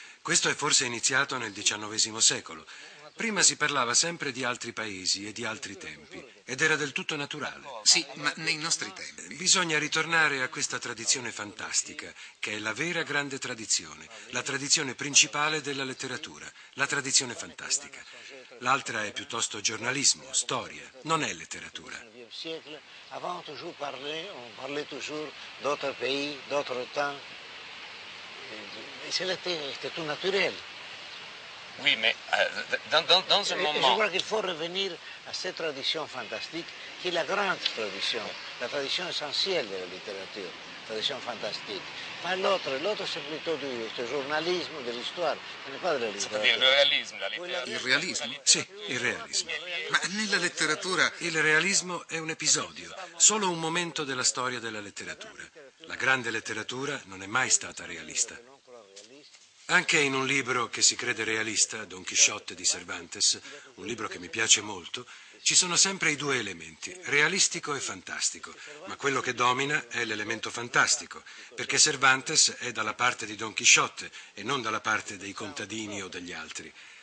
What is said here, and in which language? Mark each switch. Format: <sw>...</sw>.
<it>Questo è forse iniziato nel XIX secolo. Prima si parlava sempre di altri paesi e di altri tempi, ed era del tutto naturale. Sì, ma nei nostri tempi. Bisogna ritornare a questa tradizione fantastica, che è la vera grande tradizione, la tradizione principale della letteratura, la tradizione fantastica. L'altra è piuttosto giornalismo, storia, non è letteratura.</it> <fr>Avant toujours parlé, on parlait toujours d'autres pays, d'autres temps. Et c'était tout naturel. Oui, mais dans un moment. Je crois qu'il faut revenir à cette tradition fantastique, qui est la grande tradition, la tradition essentielle de la littérature, la tradition fantastique. Mais l'autre c'est plutôt du journalisme, de l'histoire, ce n'est pas de la littérature. C'est-à-dire le réalisme, la littérature.</fr> <it>Il réalisme? Sì, il réalisme. Ma nella letteratura il realismo è un episodio, solo un momento della storia della letteratura. La grande letteratura non è mai stata realista. Anche in un libro che si crede realista, Don Chisciotte di Cervantes, un libro che mi piace molto, ci sono sempre i due elementi, realistico e fantastico, ma quello che domina è l'elemento fantastico, perché Cervantes è dalla parte di Don Chisciotte e non dalla parte dei contadini o degli altri.</it>